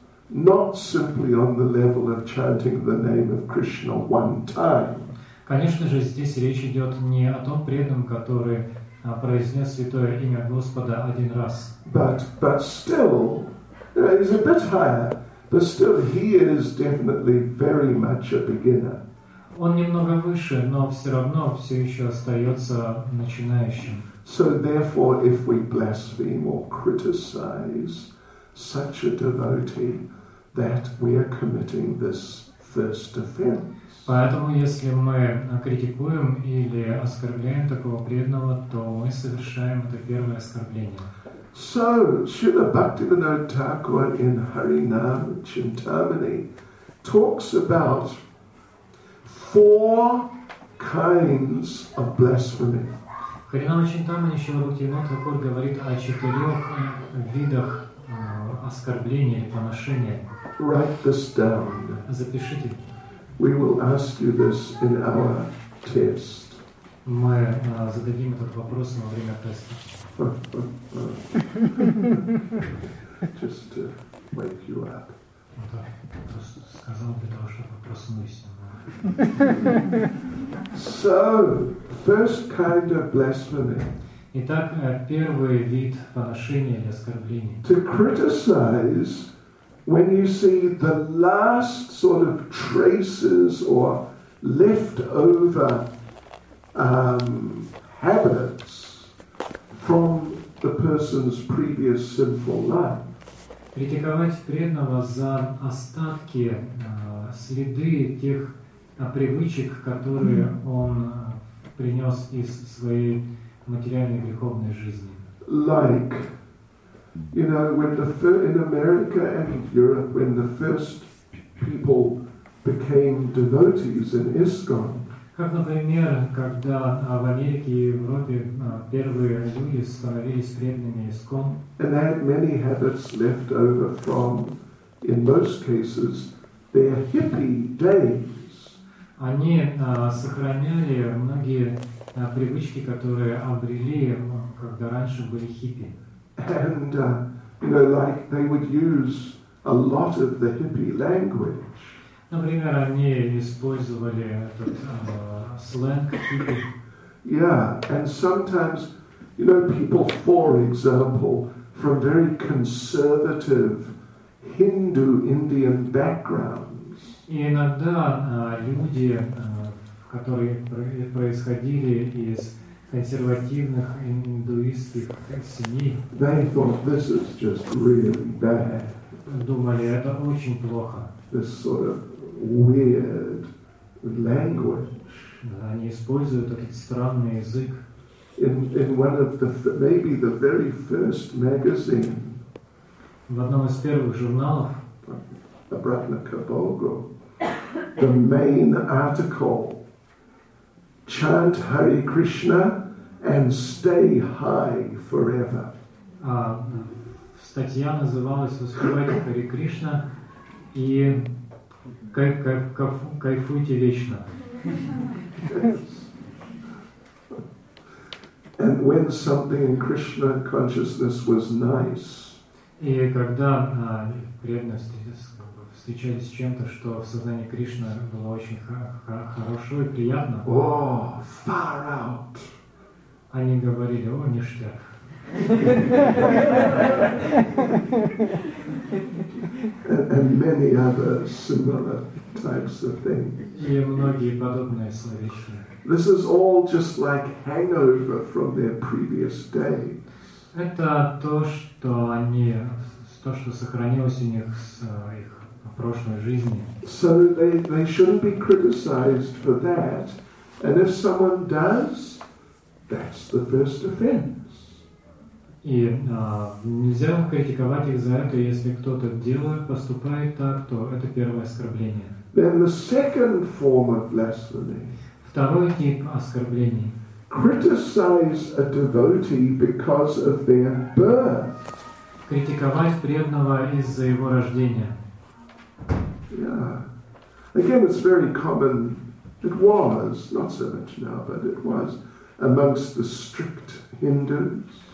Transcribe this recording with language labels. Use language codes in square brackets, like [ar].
[en] Not simply on the level of chanting the name of Krishna one time. [ru] Конечно же, здесь речь идет не о том преданном, который произнес святое имя Господа один раз. [en] But still, he's a bit higher. But still, he is definitely very much a beginner. [ru] Он немного выше, но все равно все еще остается начинающим. [en] So therefore, if we blaspheme or criticize such a devotee, that we are committing this first offense. [ru] Поэтому, если мы критикуем или оскорбляем такого преданного, то мы совершаем это первое оскорбление. [en] So, Śrīla Bhaktivinoda Thakura in Harinām Chintamani talks about four kinds of blasphemy. [ru] Харинам Чинтамани Śrīla Bhaktivinoda Thakura говорит о четырех видах оскорбления и поношения. [en] Write this down. [ru] Запишите. [en] We will ask you this in our test. [ru] Мы зададим этот вопрос во время теста. [en] Just to wake you up. [ru] Сказал для того, чтобы проснулись. [en] So, first kind of blasphemy. [ru] Итак, первый вид поношения или оскорбления. [en] To criticize when you see the last sort of traces or leftover habits from the person's previous sinful life. [ru] Критиковать преданного за остатки, следы тех привычек, которые он принес из своей материальной греховной жизни. [en] Like, you know, when the in America and Europe, when the first people became devotees in ISKCON. [ru] Как, например, когда в Америке и Европе первые люди становились преданными ISKCON. [en] And they had many habits left over from, in most cases, their hippie days. [ru] Они сохраняли многие привычки, которые обрели, когда раньше были хиппи. [en] And you know, like they would use a lot of the hippie language. [ru] Например, они использовали этот сленг хиппи. [en] Yeah, and sometimes, you know, people, for example, from very conservative Hindu Indian backgrounds. [ru] И иногда люди, которые происходили из консервативных индуистских семей. [en] They thought this is just really bad. [ru] Думали, это очень плохо. [en] This sort of weird language. [ru] Они используют этот странный язык. [en] In one of the maybe the very first magazine. [ru] В одном из первых журналов. [en] Abratnakabogo. The main article. Chant Hare Krishna and stay high forever. [ru] Статья называлась «Воспевайте Харе Кришна и кайфуйте вечно». [en] And when something in Krishna consciousness was nice. [ru] И когда преданность встречались с чем-то, что в сознании Кришны было очень хорошо и приятно. [en] О, far out! [ru] Они говорили, о, ништяк. [en] And many other similar types of things. [ru] И многие подобные словечки. [en] This is all just like hangover from their previous day. [ru] Это то, что они, то, что сохранилось у них с их прошлой жизни. [en] So they shouldn't be criticized for that. And if someone does, that's the first offense. [ru] И нельзя критиковать их за это, если кто-то делает, поступает так, то это первое оскорбление. [en] Then the second form of blasphemy. [ru] Второй тип оскорблений. [en] Criticize a devotee because of their birth. [ru] Критиковать преданного из-за его рождения. [en] Yeah. Again, it's very common. It was not so much now, but it was amongst the strict Hindus.